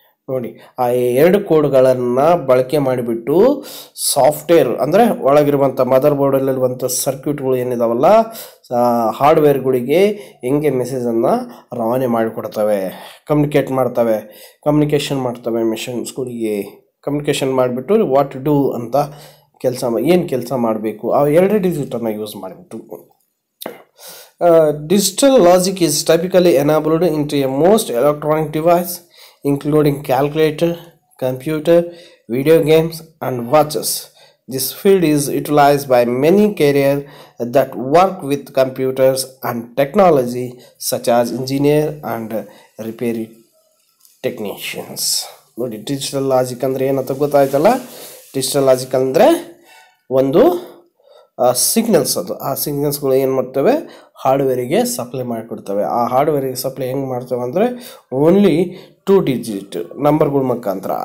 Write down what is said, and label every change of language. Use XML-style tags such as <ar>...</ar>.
<kn>ನೋಡಿ, ಆ 2 ಕೋಡ್ಗಳನ್ನು ಬಳಕೆ ಮಾಡಿಬಿಟ್ಟು ಸಾಫ್ಟ್ವೇರ್, ಅಂದರೆ ಒಳಗಿರುವಂಥ ಮದರ್ ಬೋರ್ಡಲ್ಲಿರುವಂಥ ಸರ್ಕ್ಯೂಟ್ಗಳು ಏನಿದಾವಲ್ಲ, ಹಾರ್ಡ್ವೇರ್ಗಳಿಗೆ ಹೆಂಗೆ ಮೆಸೇಜನ್ನು ರವಾನೆ ಮಾಡಿಕೊಡ್ತವೆ, ಕಮ್ಯುನಿಕೇಟ್ ಮಾಡ್ತವೆ, ಕಮ್ಯುನಿಕೇಷನ್ ಮಾಡ್ತವೆ ಮೆಷಿನ್ಸ್ಗಳಿಗೆ, ಕಮ್ಯುನಿಕೇಷನ್ ಮಾಡಿಬಿಟ್ಟು</kn> <en>what to do</en> <kn>ಅಂತ ಕೆಲಸ, ಏನು ಕೆಲಸ ಮಾಡಬೇಕು, ಆ 2 ಡಿಜಿಟನ್ನು ಯೂಸ್ ಮಾಡಿಬಿಟ್ಟು.</kn> <en>Digital logic is typically enabled into a most electronic device, including calculator, computer, video games, and watches. This field is utilized by many careers that work with computers and technology, such as engineer and repair technicians.</en> <kn>ನೋಡಿ, digital logic ಅಂದರೆ ಏನು ಅಂತ ಗೊತ್ತಾಯ್ತಲ್ಲ. Digital logic ಅಂದರೆ ಒಂದು signals, ಅದು ಆ ಸಿಗ್ನಲ್ಸ್ಗಳು ಏನು ಮಾಡ್ತವೆ, ಹಾರ್ಡ್ವೇರಿಗೆ ಸಪ್ಲೈ ಮಾಡಿಕೊಡ್ತವೆ. ಆ ಹಾರ್ಡ್ವೇರಿಗೆ ಸಪ್ಲೈ ಹೆಂಗೆ ಮಾಡ್ತವೆ ಅಂದರೆ, ಓನ್ಲಿ 2 ಡಿಜಿಟ್ ನಂಬರ್ಗಳ ಮುಖಾಂತರ.</kn>